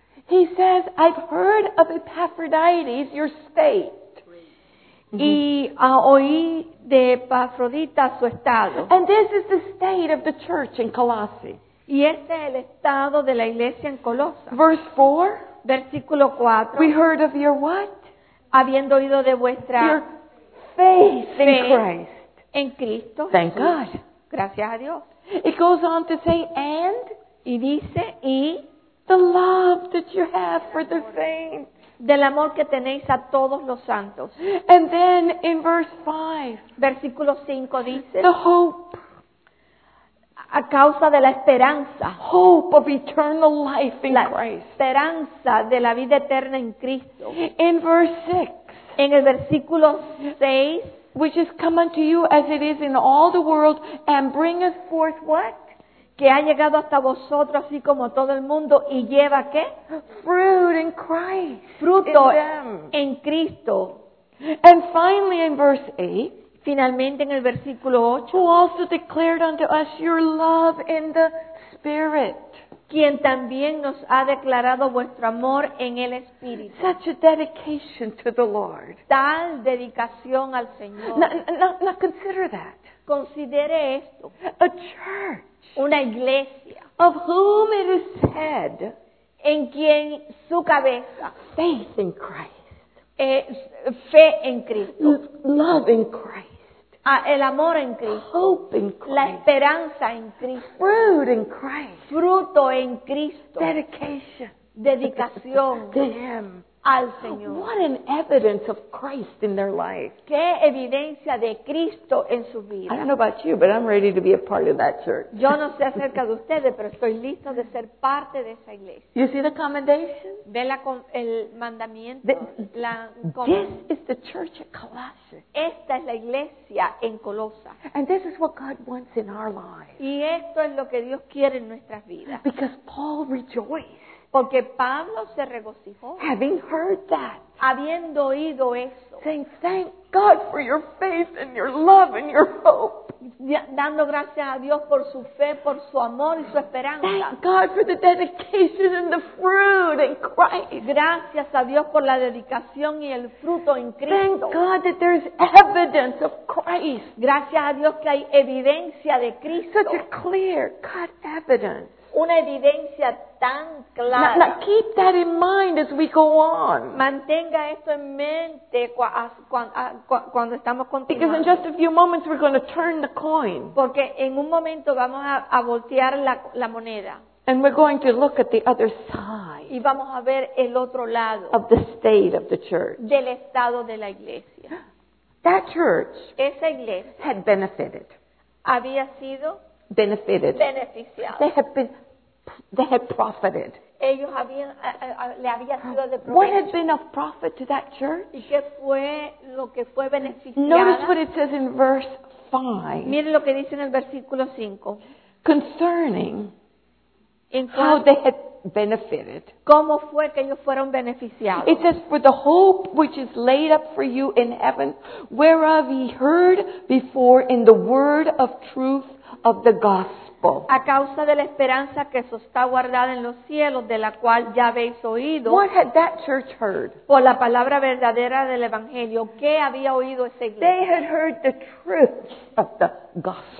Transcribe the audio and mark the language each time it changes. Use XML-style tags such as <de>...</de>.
<en>he says, I've heard of Epaphroditus, your state.</en> <es>Y oí de Epafrodita su estado.</es> <en>And this is the state of the church in Colossae.</en> <es>Y este es el estado de la iglesia en Colosa.</es> <en>Verse 4.</en> <es>Versículo 4.</es> <en>We heard of your what?</en> <es>Habiendo oído de vuestra</es> <en>your faith in Christ.</en> <es>En Cristo.</es> <en>Thank Jesús. God.</en> <es>Gracias a Dios.</es> <en>It goes on to say and.</en> <es>Y dice y.</es> <en>The love that you have for the saints.</en> <es>Del amor que tenéis a todos los santos.</es> <en>And then in verse 5.</en> <es>Versículo 5 dice.</es> <en>The hope.</en> <es>A causa de la esperanza.</es> <en>Hope of eternal life in</en> <es>la</es> <en>Christ.</en> <es>Esperanza de la vida eterna en Cristo.</es> <en>In verse 6.</en> <es>En el versículo 6.</es> <en>Which is come unto you as it is in all the world and bringeth forth what?</en> <es>Que ha llegado hasta vosotros así como todo el mundo y lleva ¿qué?</es> <en>Fruit in Christ.</en> <es>Fruto</es> <en>in them.</en> <es>En Cristo.</es> <en>And finally in verse 8.</en> <es>Finalmente en el versículo 8.</es> <en>Who also declared unto us your love in the Spirit.</en> <es>Quien también nos ha declarado vuestro amor en el Espíritu.</es> <en>Such a dedication to the Lord.</en> <es>Tal dedicación al Señor.</es> <en>Now consider that.</en> <es>Considere esto.</es> <en>A church.</en> <es>Una iglesia.</es> <en>Of whom it is said.</en> <es>En quien su cabeza.</es> <en>Faith in Christ.</en> <es>Fe en Cristo.</es> <en>Love in Christ.</en> <es>El amor en Cristo.</es> <en>Hope in Christ.</en> <es>La esperanza en Cristo.</es> <en>Fruit in Christ.</en> <es>Fruto en Cristo.</es> <en>Dedication.</en> <es>Dedicación.</es> <en>To Him.</en> <es>Al Señor.</es> <en>What an evidence of Christ in their life.</en> <es>Qué evidencia de Cristo en su vida.</es> <en>I don't know about you, but I'm ready to be a part of that church.</en> <es>Yo no sé acerca de ustedes, pero estoy listo de ser parte de esa iglesia.</es> <en>You see the commendation?</en> <es>Ve el mandamiento.</es> <en>This is the church at Colossae.</en> <es>Esta es la iglesia en Colosa.</es> <en>And this is what God wants in our lives.</en> <es>Y esto es lo que Dios quiere en nuestras vidas.</es> <en>Because Paul rejoiced.</en> <es>Porque Pablo se regocijó.</es> <en>Having heard that.</en> <es>Habiendo oído eso.</es> <en>Saying, thank God for your faith and your love and your hope.</en> <es>Dando gracias a Dios por su fe, por su amor y su esperanza.</es> <en>Thank God for the dedication and the fruit in Christ.</en> <es>Gracias a Dios por la dedicación y el fruto en Cristo.</es> <en>Thank God that there is evidence of Christ.</en> <es>Gracias a Dios que hay evidencia de Cristo.</es> <en>Such a clear cut evidence.</en> <es>Una evidencia tan clara.</es> <en>Now keep that in mind as we go on.</en> <es>Mantenga esto en mente cuando estamos continuando.</es> <en>Because in just a few moments we're going to turn the coin.</en> <es>Porque en un momento vamos a voltear la moneda.</es> <en>And we're going to look at the other side.</en> <es>Y vamos a ver el otro lado.</es> <en>Of the state of the church.</en> <es>Del estado de la iglesia.</es> <en>That church.</en> <es>Esa iglesia.</es> <en>Had benefited.</en> <es>Había sido.</es> <en>Benefited. Beneficial. They had profited.</en> <es>Ellos habían, le había sido de provecho.</es> <en>What had been of profit to that church?</en> <es>¿Y qué fue lo que fue beneficiada?</es> <en>Notice what it says in verse 5.</en> <es>Miren lo que dice en el versículo 5.</es> <en>Concerning</en> <es>entonces,</es> <en>how they had benefited.</en> <es>¿Cómo fue que ellos fueron beneficiados?</es> <en>It says, for the hope which is laid up for you in heaven, whereof ye heard before in the word of truth, of the gospel.</en> <es>A causa de la esperanza que eso está guardada en los cielos, de la cual ya habéis oído.</es> <en>What had that church heard?</en> <es>Por la palabra verdadera del evangelio, ¿qué había oído esa iglesia?</es> <en>They had heard the truth of the gospel.</en>